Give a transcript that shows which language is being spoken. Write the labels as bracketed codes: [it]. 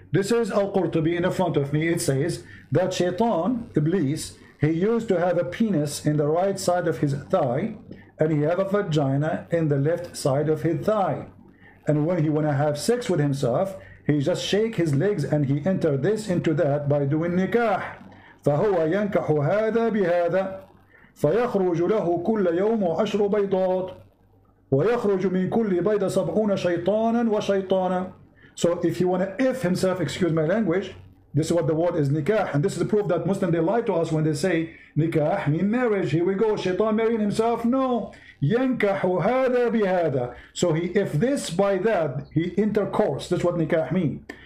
[en] This is Al-Qurtubi in the front of me. It says that Shaitan, Iblis, he used to have a penis in the right side of his thigh, and he have a vagina in the left side of his thigh. And when he want to have sex with himself, he just shake his legs and he enter this into that by doing nikah. [ar] فهو ينكح هذا بهذا فيخرج له كل يوم عشر بيضات ويخرج من كل بيضة سبعون شيطانا وشيطانا. [en] So if he want to if himself, excuse my language, this is what the word is nikah, and this is the proof that Muslim, they lie to us when they say nikah mean marriage. Here we go, shaitan marrying himself. No, [ar] yankahu hada bihada. [en] So he if this by that, he intercourse, that's what nikah mean.